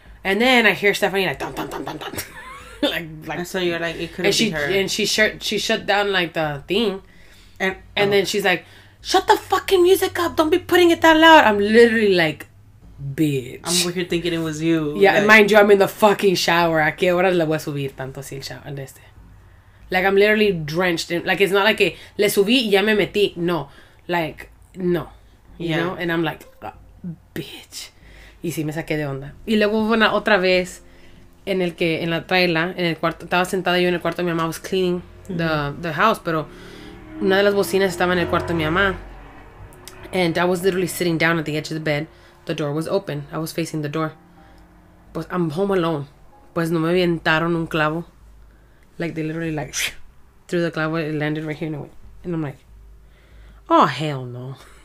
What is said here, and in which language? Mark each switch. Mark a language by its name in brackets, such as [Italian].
[English] And then I hear Stephanie like, dun, dun, dun, dun, dun. like. And so you're like, it couldn't be her. And she shut down, the thing. And then she's like, shut the fucking music up. Don't be putting it that loud. I'm literally like. Bitch. I'm over here thinking it was you. Yeah, like, and mind you, I'm in the fucking shower. [Spanish] ¿A qué hora le voy a subir tanto así el shower? [English] Este? Like, I'm literally drenched. In, like, it's not like a, [Spanish] le subí y ya me metí. [English] No. Like, no. You know? And I'm like, bitch. [Spanish] Y sí, me saqué de onda. Y luego hubo una otra vez en el que, en la traila, en el cuarto, estaba sentada yo en el cuarto de mi mamá, [English] was cleaning the house, [Spanish] pero una de las bocinas estaba en el cuarto de mi mamá. [English] And I was literally sitting down at the edge of the bed. The door was open. I was facing the door. But I'm home alone. [Spanish] Pues no me avientaron un clavo. [English] Like, they literally, like, threw the clavo. It landed right here. And I'm like, oh, hell no.